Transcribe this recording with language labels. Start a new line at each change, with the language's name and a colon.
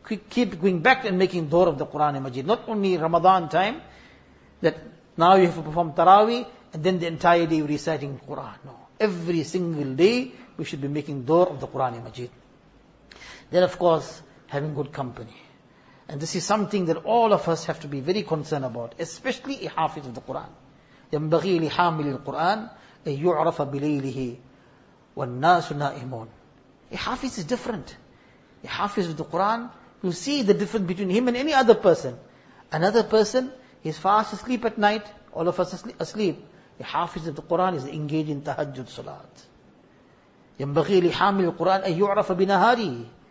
English: Keep going back and making door of the Quran-i Majid. Not only Ramadan time, that now you have to perform Taraweeh, and then the entire day reciting Quran. No. Every single day, we should be making door of the Quran-i Majid. Then of course, having good company. And this is something that all of us have to be very concerned about, especially a Hafiz of the Quran.
Arabic: يَنْبَغِي لِحَامِلِ الْقُرْآنِ أَن يُعْرَفَ بِلَيْلِهِ وَالنَّاسُ نَائِمُونَ.
English: A Hafiz is different. A Hafiz of the Quran, you see the difference between him and any other person. Another person, he's fast asleep at night, all of us asleep. A hafiz of the Quran is engaged in tahajjud salat.
Arabic: يَنْبَغِي لِحَامِلِ الْقُرْآنِ أَنْ يُعْرَفَ بِنَهَارِهِ.